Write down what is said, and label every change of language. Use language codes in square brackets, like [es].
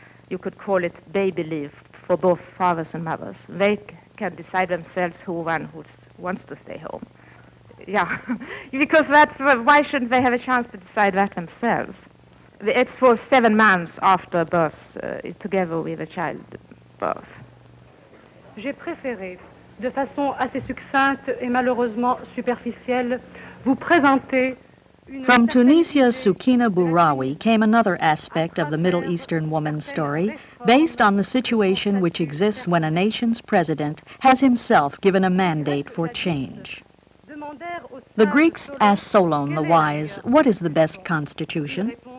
[en] You could call it baby leave for both fathers and mothers. They can decide themselves who wants to stay home. Yeah, because that's, why shouldn't they have a chance to decide that themselves? It's for 7 months after birth, together with a child. [fr] J'ai préféré, de façon assez succincte et malheureusement superficielle, vous présenter... [en] From Tunisia, Soukina Bourawi came another aspect of the Middle Eastern woman's story, based on the situation which exists when a nation's president has himself given a mandate for change. The Greeks asked Solon the Wise, what is the best constitution?